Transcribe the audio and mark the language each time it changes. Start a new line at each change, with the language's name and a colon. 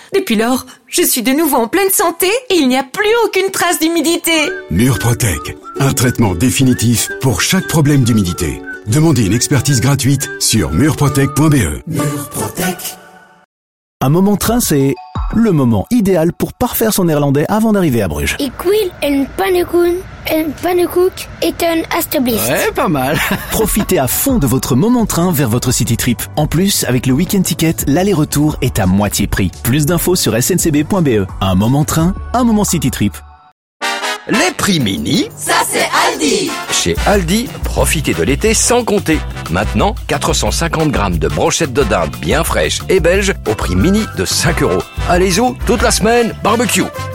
French: Depuis lors, je suis de nouveau en pleine santé et il n'y a plus aucune trace d'humidité. Murprotec, un traitement définitif pour chaque problème d'humidité. Demandez une expertise gratuite sur murprotec.be. Murprotec. Un moment train, c'est le moment idéal pour parfaire son néerlandais avant d'arriver à Bruges.
Dutch: Ik wil een pannenkoek, eten alstublieft.
French: Ouais, pas mal. Profitez à fond de votre moment train vers votre city trip. En plus, avec le week-end ticket, l'aller-retour est à moitié prix. Plus d'infos sur sncb.be. Un moment train, un moment city trip. Les prix mini, ça c'est Aldi. Chez Aldi, profitez de l'été sans compter. Maintenant, 450 grammes de brochettes de dinde bien fraîches et belges au prix mini de 5 euros. Allez-y, toute la semaine, barbecue.